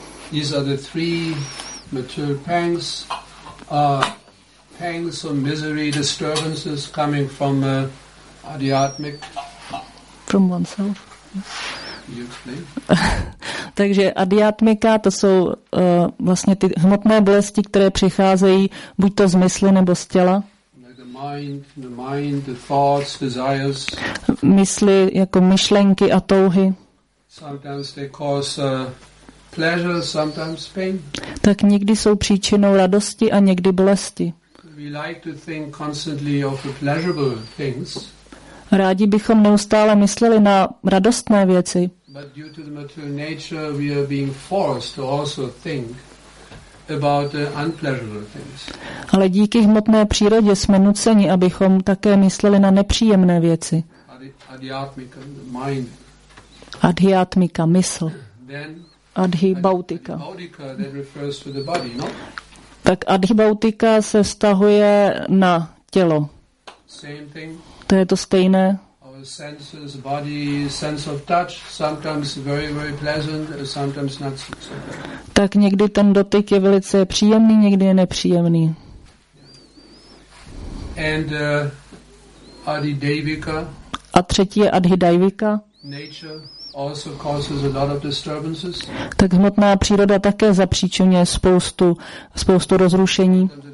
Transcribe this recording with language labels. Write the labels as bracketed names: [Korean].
[English] These are the three material pangs, pangs of misery, disturbances coming from adhyatmic. From oneself. You explain. [Czech] Takže adhyatmika, to jsou vlastně ty hmotné bolesti, které přicházejí buď to z mysli nebo z těla. [English] Like the mind, the thoughts, desires. [Czech] Mysli jako myšlenky a touhy. [English] Sometimes they cause pleasure, sometimes pain. [Czech] Tak někdy jsou příčinou radosti a někdy bolesti. [English] We like to think constantly of the pleasurable things. [Czech] Rádi bychom neustále mysleli na radostné věci. [English] But due to the material nature, we are being forced to also think about the unpleasurable things. [Czech] Ale díky hmotné přírodě jsme nuceni, abychom také mysleli na nepříjemné věci. [English] Adhyatmika, the mind. [Czech] Adhyatmika, mysl. Adhibautika. [English] Adhibautika then refers to the body, no? [Czech] Tak adhibautika se vztahuje na tělo. [English] Same thing. [Czech] To je to stejné. [English] Our senses, body, sense of touch, sometimes very, very pleasant, sometimes not so pleasant. [Czech] Tak někdy ten dotyk je velice příjemný, někdy je nepříjemný. [English] And adhidaivika. [Czech] A třetí je adhidaivika. [English] Nature also causes a lot of disturbances. [Czech] Tak hmotná příroda také zapříčuje spoustu rozrušení.